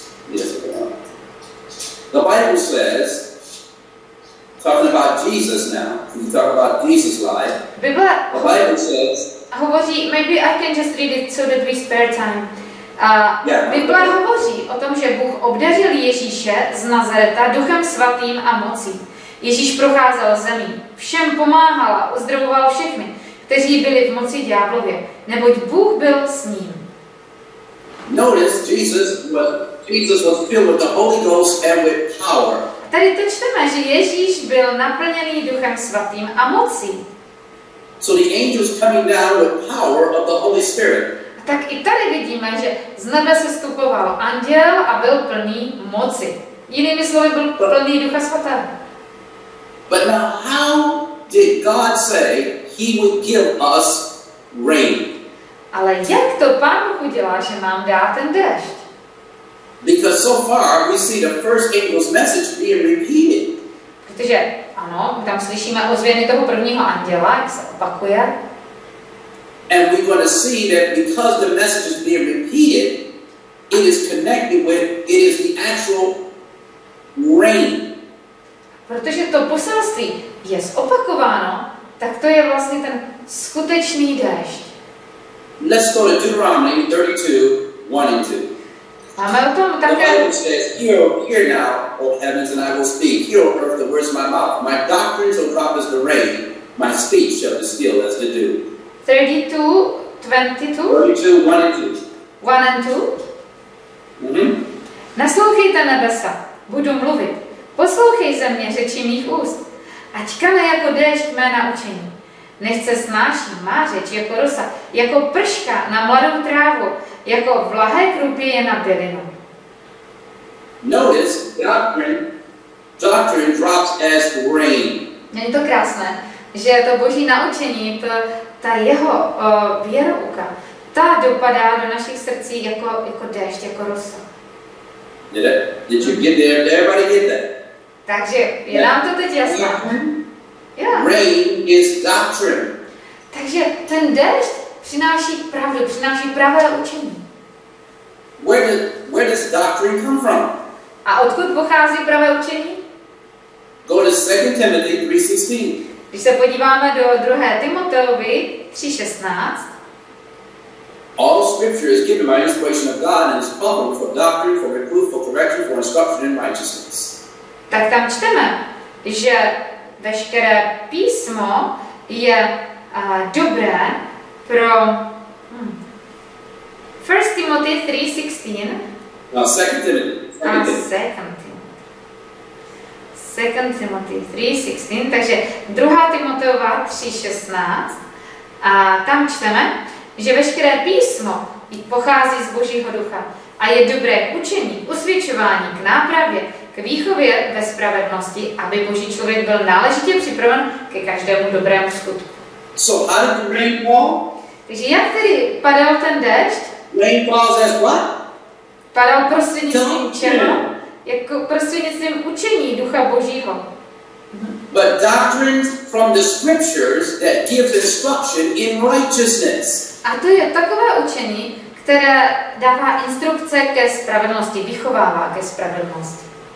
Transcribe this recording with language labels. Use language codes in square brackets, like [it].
[en] Yes, the Bible says, talking about Jesus now, we talk about Jesus' life. The Bible says, [cs] hovoří, [en] maybe I can just read it so that we spare time. [cs] Bible hovoří o tom, že Bůh obdařil Ježíše z Nazareta Duchem svatým a mocí. Ježíš procházel zemí, všem pomáhal a uzdravoval všechny, kteří byli v moci ďáblově, neboť Bůh byl s ním. [en] Notice Jesus was filled with the Holy Ghost and with power. [cs] Tady to čteme, že Ježíš byl naplněný Duchem svatým a mocí. [en] So the angels coming down with power of the Holy Spirit. [cs] A tak i tady vidíme, že z nebe se vstupoval anděl a byl plný moci. Jinými slovy, byl plný Ducha svatého. [en] But now, how did God say He would give us rain? [cs] Ale jak to Pán Bůh udělá, že nám dá ten déšť? [en] Because so far we see the first angel's message being repeated. [cs] Protože ano, tam slyšíme ozvěny toho prvního anděla, jak se opakuje. [en] And we're going to see that because the message is being repeated, it is connected with it is the actual rain. [cs] Protože to poselství je zopakováno, tak to je vlastně ten skutečný déšť. [en] Let's go to Deuteronomy 32:1-2. [cs] Máme o tom také. [en] The Bible says, hear now, O heavens, and I will speak. Hear, O earth, the words of my mouth. My doctrines shall drop as the rain. My speech shall distill as the dew. 32:1-2. [cs] Naslouchejte nebesa, budu mluvit. Poslouchej země řeči mých úst, ať kane jako déšť mé naučení. Nech se snáší má řeč jako rosa, jako prška na mladou trávu, jako vlahé krupěje na bylinu. [en] Notice, doctrine drops as rain. [cs] Je to krásné, že to boží naučení, to, ta jeho věrouka, ta dopadá do našich srdcí jako déšť, jako rosa. [en] Did you get there? Did everybody get that? [cs] Takže je nám to teď jasné. [en] Yeah. Rain is doctrine. [cs] Takže ten déšť přináší pravdu, přináší pravé učení. [en] Where does doctrine come from? [cs] A odkud pochází pravé učení? [en] Go to 2 Timothy 3:16. [cs] Když se podíváme do 2. Timoteovi 3:16. [en] All scripture is given by inspiration of God and is profitable for doctrine, for reproof, for correction, for instruction in righteousness. [cs] Tak tam čteme, že veškeré písmo je dobré pro 1 Timothy 3:16. No, 2 Timothy. 2 Timothy 3:16, takže 2. Timoteova 3:16. A tam čteme, že veškeré písmo pochází z Božího ducha a je dobré k učení, usvědčování, k nápravě, k výchově ve spravedlnosti, aby Boží člověk byl náležitě připraven ke každému dobrému skutku. [en] So how did the rain fall? [cs] Takže jak tedy padal ten déšť? [en] Rain falls as what? [cs] Padal prostřednictvím čeho? Jako prostřednictvím učení Ducha Božího. [en] But doctrines from the scriptures that give instruction in righteousness. [cs] A to je takové učení, které dává instrukce ke spravedlnosti, vychovává ke spravedlnosti.